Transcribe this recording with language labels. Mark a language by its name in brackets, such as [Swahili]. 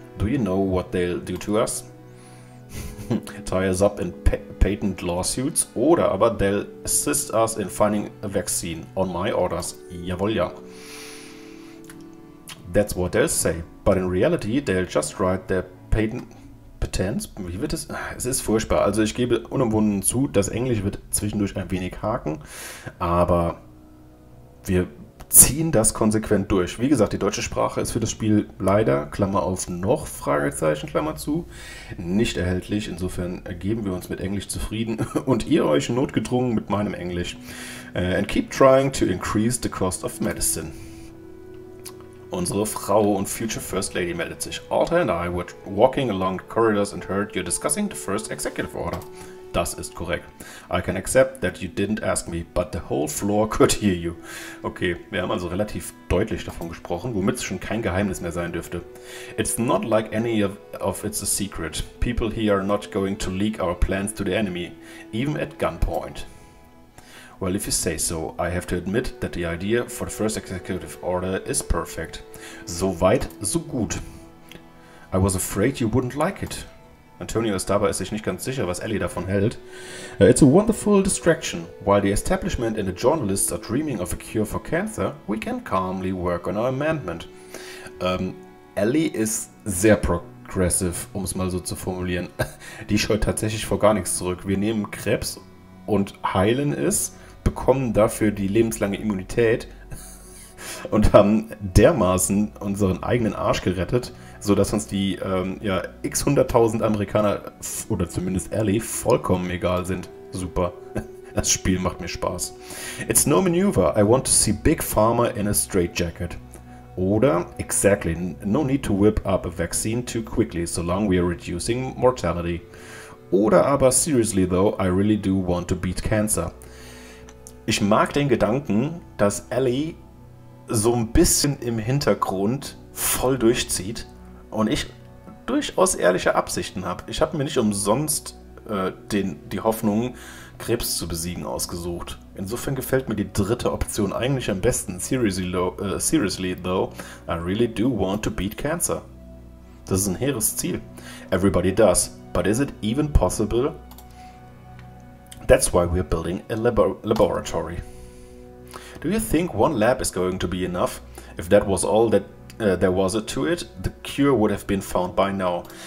[English] Do you know what they'll do to us? Tie us up in patent lawsuits, [German] oder aber [English] they'll assist us in finding a vaccine on my orders. [German] Jawohl, ja. [English] That's what they'll say. But in reality, they'll just write their patents. [German] Wie wird das? Es ist furchtbar. Also ich gebe unumwunden zu, das Englisch wird zwischendurch ein wenig haken. Aber wir ziehen das konsequent durch. Wie gesagt, die deutsche Sprache ist für das Spiel leider, Klammer auf noch, Fragezeichen, Klammer zu, nicht erhältlich. Insofern geben wir uns mit Englisch zufrieden und ihr euch notgedrungen mit meinem Englisch. [English] And keep trying to increase the cost of medicine. [German] Unsere Frau und Future First Lady meldet sich. [English] Alta and I were walking along the corridors and heard you discussing the first executive order. [German] Das ist korrekt. [English] I can accept that you didn't ask me, but the whole floor could hear you. [German] Okay, wir haben also relativ deutlich davon gesprochen, womit es schon kein Geheimnis mehr sein dürfte. [English] It's not like any of it's a secret. People here are not going to leak our plans to the enemy, even at gunpoint. Well, if you say so, I have to admit that the idea for the first executive order is perfect. [German] So weit, so gut. [English] I was afraid you wouldn't like it. [German] Antonio ist dabei, ist sich nicht ganz sicher, was Ellie davon hält. [English] It's a wonderful distraction. While the establishment and the journalists are dreaming of a cure for cancer, we can calmly work on our amendment. [German] Ellie ist sehr progressive, um es mal so zu formulieren. Die scheut tatsächlich vor gar nichts zurück. Wir nehmen Krebs und heilen es, bekommen dafür die lebenslange Immunität und haben dermaßen unseren eigenen Arsch gerettet, sodass uns die x-hunderttausend Amerikaner oder zumindest Ellie vollkommen egal sind. Super. Das Spiel macht mir Spaß. [English] It's no maneuver. I want to see Big Pharma in a straitjacket. Oder, exactly, no need to whip up a vaccine too quickly, so long we are reducing mortality. [German] Oder aber, [English] seriously though, I really do want to beat cancer. [German] Ich mag den Gedanken, dass Ellie so ein bisschen im Hintergrund voll durchzieht und ich durchaus ehrliche Absichten habe. Ich habe mir nicht umsonst die Hoffnung, Krebs zu besiegen, ausgesucht. Insofern gefällt mir die dritte Option eigentlich am besten. [English] Seriously though, I really do want to beat cancer. [German] Das ist ein hehres Ziel. [English] Everybody does. But is it even possible? That's why we're building a laboratory. Do you think one lab is going to be enough? If that was all that there was to it, the cure would have been found by now.